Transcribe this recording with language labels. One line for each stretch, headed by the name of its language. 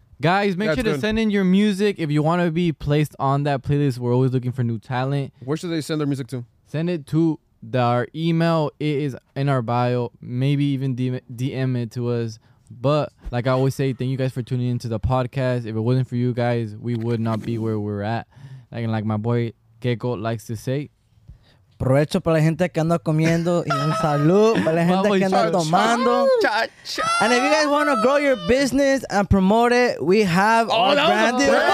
English: Guys, make sure to send in your music. If you want to be placed on that playlist, we're always looking for new talent. Where should they send their music to? Send it to our email. It is in our bio. Maybe even DM it to us. But like I always say, thank you guys for tuning into the podcast. If it wasn't for you guys, we would not be where we're at. Like my boy Keiko likes to say,
Spanish: provecho para la gente que anda comiendo y un salud para la gente que anda tomando.
English: And if you guys want to grow your business and promote it, we have our branded.